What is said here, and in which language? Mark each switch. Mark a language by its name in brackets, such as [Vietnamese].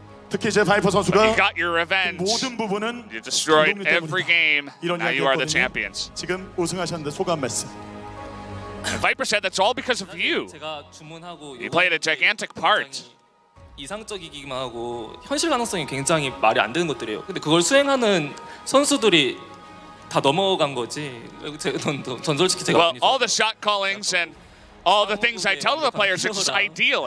[English] Today, you got your revenge. You destroyed every game. Now you are the champions. And Viper said that's all because of you. You played a gigantic part. [Korean] 이상적이기만 하고 현실 가능성이 굉장히 말이 안 되는 것들이에요. 근데 그걸 수행하는 선수들이 다 넘어간 거지. 전 솔직히 제가 [English] Well, all the shot callings and all the things I tell the players are just ideal.